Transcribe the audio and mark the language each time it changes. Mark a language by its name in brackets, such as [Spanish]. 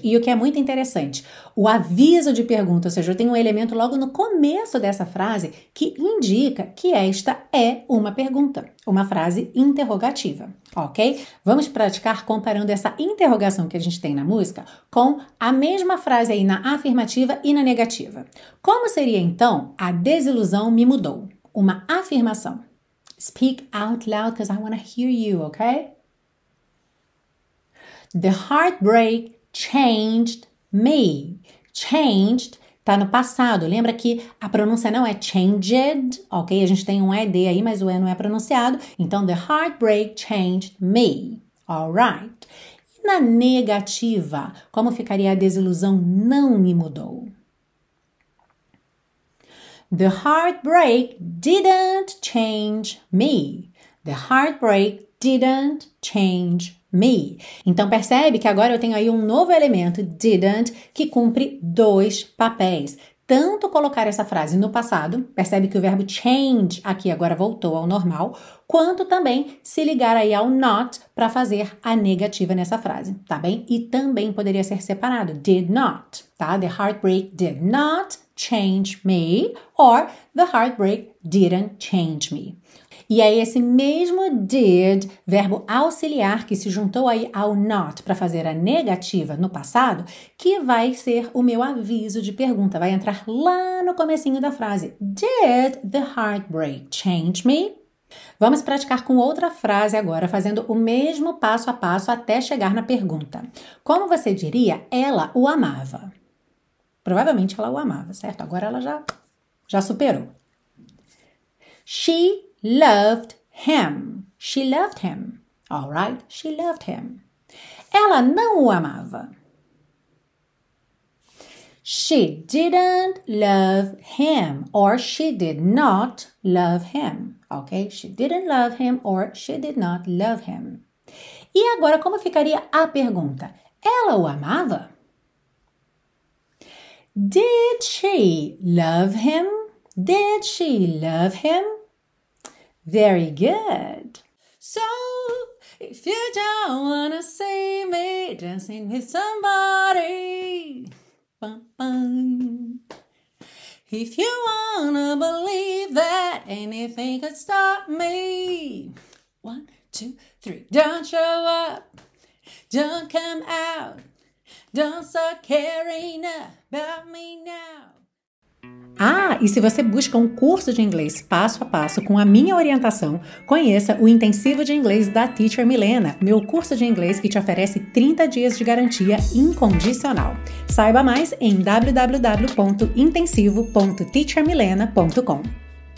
[Portuguese] E o que é muito interessante, o aviso de pergunta, ou seja, eu tenho um elemento logo no começo dessa frase que indica que esta é uma pergunta, uma frase interrogativa, ok? Vamos praticar comparando essa interrogação que a gente tem na música com a mesma frase aí na afirmativa e na negativa. Como seria então a desilusão me mudou? Uma afirmação. [English] Speak out loud because I want to hear you, okay? The heartbreak changed me. [Portuguese] Changed tá no passado. Lembra que a pronúncia não é changed, ok? A gente tem um ED aí, mas o E não é pronunciado. [English] Então, the heartbreak changed me. Alright. [Portuguese] E na negativa, como ficaria a desilusão não me mudou? [English] The heartbreak didn't change me. The heartbreak didn't change me. [Portuguese] Então percebe que agora eu tenho aí um novo elemento, didn't, que cumpre dois papéis. Tanto colocar essa frase no passado, percebe que o verbo change aqui agora voltou ao normal, quanto também se ligar aí ao not para fazer a negativa nessa frase, tá bem? E também poderia ser separado, did not, tá? [English] The heartbreak did not change me, or the heartbreak didn't change me. [Portuguese] E aí esse mesmo did, verbo auxiliar que se juntou aí ao not para fazer a negativa no passado, que vai ser o meu aviso de pergunta, vai entrar lá no comecinho da frase. [English] Did the heartbreak change me? [Portuguese] Vamos praticar com outra frase agora, fazendo o mesmo passo a passo até chegar na pergunta. Como você diria, ela o amava? Provavelmente ela o amava, certo? Agora ela já superou. [English] She loved him. She loved him. All right? She loved him. [Portuguese] Ela não o amava. [English] She didn't love him. Or she did not love him. Ok? She didn't love him or she did not love him. [Portuguese] E agora, como ficaria a pergunta? Ela o amava? [English] Did she love him? Did she love him? Very good. So, if you don't wanna see me dancing with somebody, bum, bum. If you wanna believe that anything could stop me, one, two, three, don't show up, don't come out. Don't start caring about me now. [Portuguese] Ah, e se você busca um curso de inglês passo a passo com a minha orientação, conheça o Intensivo de Inglês da Teacher Milena, meu curso de inglês que te oferece 30 dias de garantia incondicional. Saiba mais em www.intensivo.teachermilena.com.